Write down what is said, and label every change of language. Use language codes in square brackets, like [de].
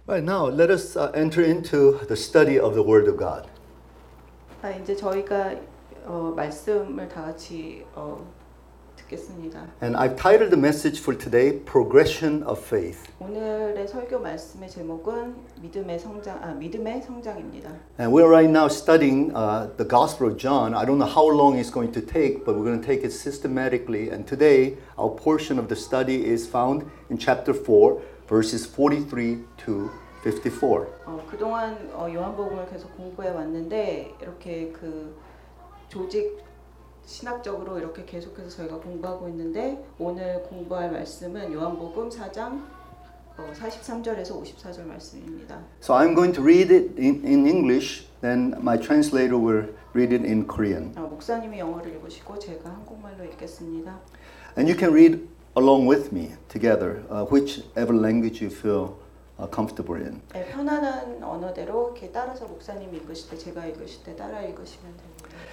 [en] Right now, let us enter into the study of the Word of God. [ko] 아, 이제 저희가 말씀을 다 같이 듣겠습니다. [en] And I've titled the message for today, Progression of Faith. [ko] 오늘의 설교 말씀의 제목은 믿음의 성장, 믿음의 성장입니다. [en] And we're right now studying the Gospel of John. I don't know how long it's going to take, but we're going to take it systematically. And today, our portion of the study is found in chapter 4. Verses 43 to 54. [ko] 그동안 요한복음을 계속 공부해 왔는데 이렇게 그 조직 신학적으로 이렇게 계속해서 저희가 공부하고 있는데 오늘 공부할 말씀은 요한복음 4장 43절에서 54절 말씀입니다. [en] So I'm going to read it in English, then my translator will read it in Korean. [ko] 목사님이 영어를 읽으시고 제가 한국말로 읽겠습니다. [en] And you can read along with me, together, whichever language you feel comfortable in. [ko] 네, 편안한 언어대로 이렇게 따라서 목사님 읽으실 때, 제가 읽으실 때 따라 읽으시면 됩니다.